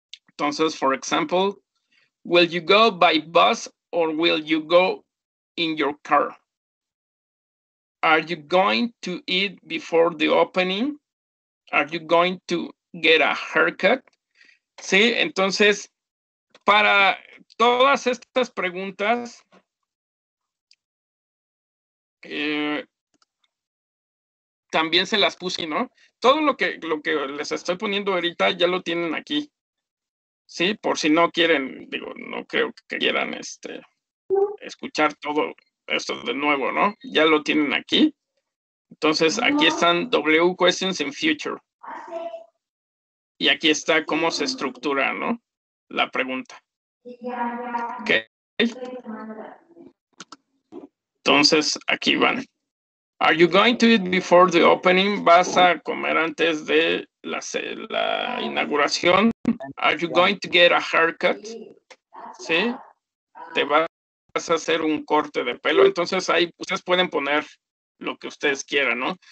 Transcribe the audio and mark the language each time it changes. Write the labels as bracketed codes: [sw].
[es] Entonces, [en] for example, will you go by bus or will you go in your car? Are you going to eat before the opening? Are you going to get a haircut? [es] Sí, entonces, para todas estas preguntas, también se las puse, ¿no? Todo lo que les estoy poniendo ahorita ya lo tienen aquí. Sí, por si no quieren, no creo que quieran escuchar todo esto de nuevo, ¿no? Ya lo tienen aquí. Entonces, aquí están [en] W questions in future. [es] Y aquí está cómo se estructura, ¿no? La pregunta. Okay. Entonces, aquí van. [en] Are you going to eat before the opening? [es] ¿Vas a comer antes de la inauguración? [en] Are you going to get a haircut? [es] ¿Sí? ¿Te vas a hacer un corte de pelo? Entonces ahí ustedes pueden poner lo que ustedes quieran, ¿no?